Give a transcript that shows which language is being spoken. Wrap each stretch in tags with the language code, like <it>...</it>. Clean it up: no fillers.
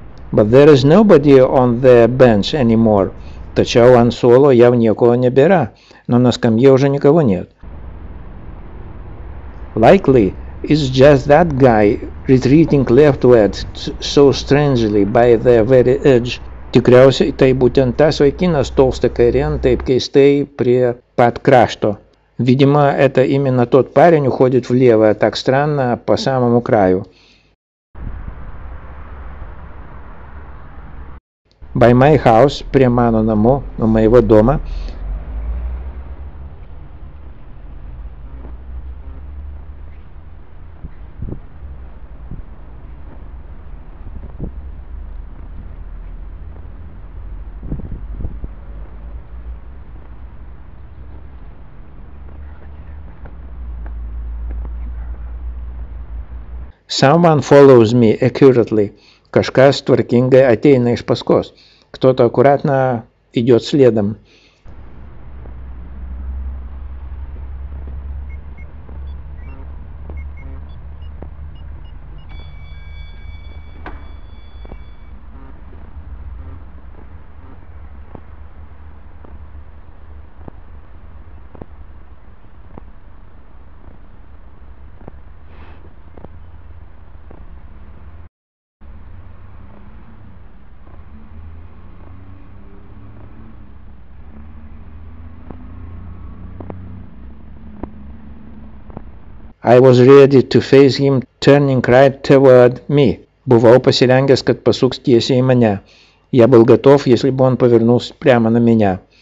<en>But there is nobody on the bench anymore.</en> <lt>Tačiau ant suolo jau nieko nebėra,</lt> <ru>но на скамье уже никого нет.</ru> <en>Likely, it's just that guy retreating leftward so strangely by the very edge.</en> <lt>Tikriausiai tai būtent tas vaikinas tolsta kairien taip keistai prie pat krašto.</lt> <ru>Видимо, это именно тот парень уходит влево, так странно, по самому краю.</ru> <en>By my house,</en> <ru>приманному, у моего дома.</ru> <en>Someone follows me accurately.</en> <lt>Kažkas tvarkingai ateina iš paskos.</lt> <ru>Кто-то аккуратно идет следом.</ru> <en>I was ready to face him turning right toward me.</en> <lt>Buvau pasirengęs, kad pasuks tiesiai į mane.</lt> <ru>Я был готов, если бы он повернулся прямо на меня.</ru>